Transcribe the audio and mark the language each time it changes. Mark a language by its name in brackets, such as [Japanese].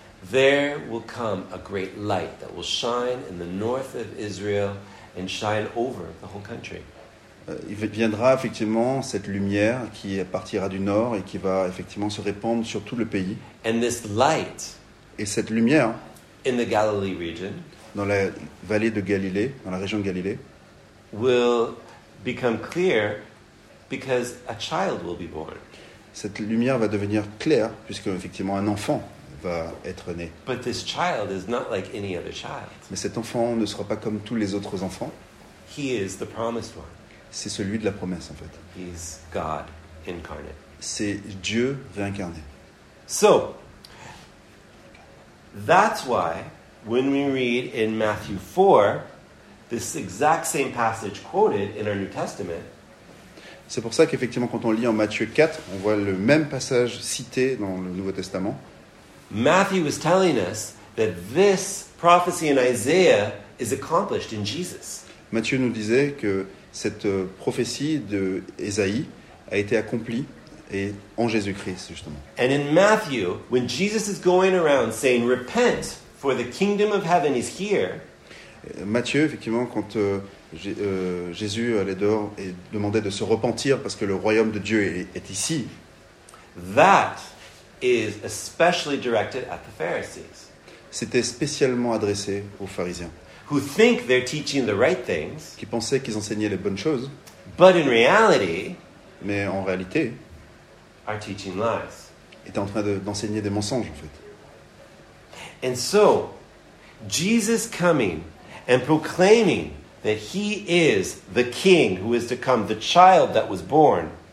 [English] there will come a great light that will shine in the north of Israel and shine over the whole country. [French] Il viendra effectivement cette lumière qui partira du nord et qui va effectivement se répandre sur tout le pays. [English] And this light, [French] et cette lumière, [English] in the Galilee region, [French] dans la vallée de Galilée, dans la région de Galilée, [English] will become clear because a child will be born. [French] Cette lumière va devenir claire puisque effectivement un enfant va être né. [English] But this child is not like any other child. [French] Mais cet enfant ne sera pas comme tous les autres enfants. [English] He is the promised one. [French] C'est celui de la promesse, en fait. [English] He's God incarnate. [French] C'est Dieu réincarné. [English] So, that's why when we read in Matthew 4, this exact same passage quoted in our New Testament, [French] c'est pour ça qu'effectivement, quand on lit en Matthieu 4, on voit le même passage cité dans le Nouveau Testament. [English] Matthew was telling us that this prophecy in Isaiah is accomplished in Jesus. [French] Matthieu nous disait que cette prophétie de Ésaïe a été accomplie et en Jésus-Christ justement. [English] And in Matthew, when Jesus is going around saying repent for the kingdom of heaven is here. [French] Matthieu effectivement quand Jésus allait dehors et demandait de se repentir parce que le royaume de Dieu est ici. [English] That is especially directed at the Pharisees. [French] C'était spécialement adressé aux pharisiens. [English] Who think they're teaching the right things, [French] qui pensaient qu'ils enseignaient les bonnes choses, [English] but in reality, [French] mais en réalité, [English] are teaching lies. [French] Étaient en train d'enseigner des mensonges, en fait. [English] And so, Jesus coming and proclaiming that he is the king who is to come, the child that was born.